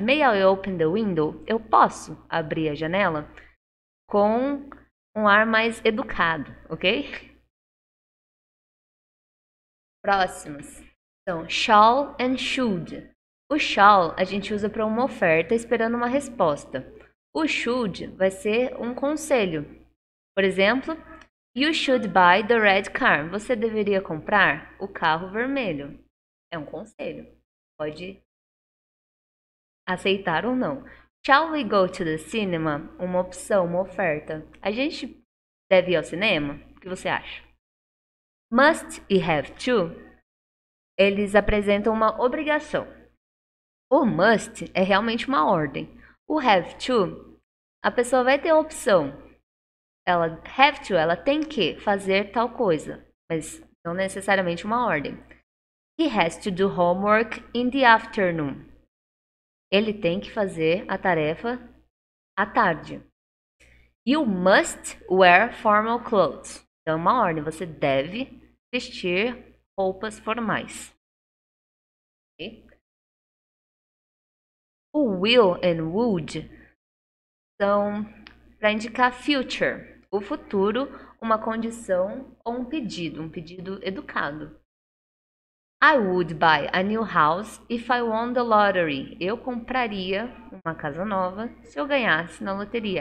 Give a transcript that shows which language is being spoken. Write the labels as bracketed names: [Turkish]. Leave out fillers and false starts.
[English] May I open the window? [Portuguese] Eu posso abrir a janela? Com um ar mais educado, ok? Próximos. Então, shall and should. O shall a gente usa para uma oferta esperando uma resposta. O should vai ser um conselho. Por exemplo, [English] you should buy the red car. [Portuguese] Você deveria comprar o carro vermelho. É um conselho. Pode aceitar ou não. [English] Shall we go to the cinema? [Portuguese] Uma opção, uma oferta. A gente deve ir ao cinema? O que você acha? Must e have to, eles apresentam uma obrigação. O must é realmente uma ordem. O have to, a pessoa vai ter a opção. Ela have to, ela tem que fazer tal coisa, mas não necessariamente uma ordem. [English] He has to do homework in the afternoon. [Portuguese] Ele tem que fazer a tarefa à tarde. [English] You must wear formal clothes. [Portuguese] Então, é uma ordem, você deve vestir roupas formais. Okay? O will and would são para indicar future. O futuro, uma condição ou um pedido educado. [English] I would buy a new house if I won the lottery. [Portuguese] Eu compraria uma casa nova se eu ganhasse na loteria.